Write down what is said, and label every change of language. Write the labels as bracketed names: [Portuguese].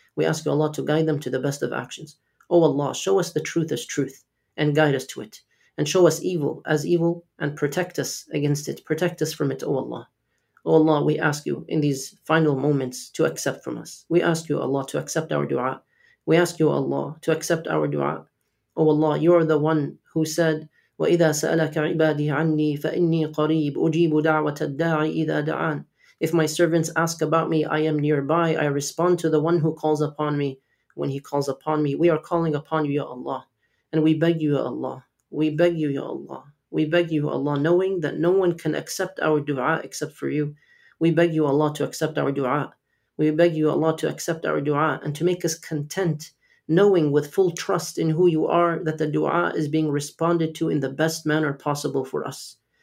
[English] We ask you, Allah, to guide them to the best of actions. O Allah, show us the truth as truth and guide us to it. And show us evil as evil and protect us against it. Protect us from it, O Allah. O Allah, we ask you in these final moments to accept from us. We ask you, Allah, to accept our dua. We ask you, Allah, to accept our dua. O Allah, you are the one who said, [Arabic] وَإِذَا سَأَلَكَ عِبَادِي عَنِّي فَإِنِّي قَرِيبُ أُجِيبُ دَعْوَةَ الدَّاعِ إِذَا دَعَانِ. [English] If my servants ask about me, I am nearby. I respond to the one who calls upon me when he calls upon me. We are calling upon you, Ya Allah. And we beg you, Ya Allah. We beg you, Ya Allah. We beg you, Allah, knowing that no one can accept our dua except for you. We beg you, Allah, to accept our dua. We beg you, Allah, to accept our dua and to make us content, knowing with full trust in who you are that the dua is being responded to in the best manner possible for us.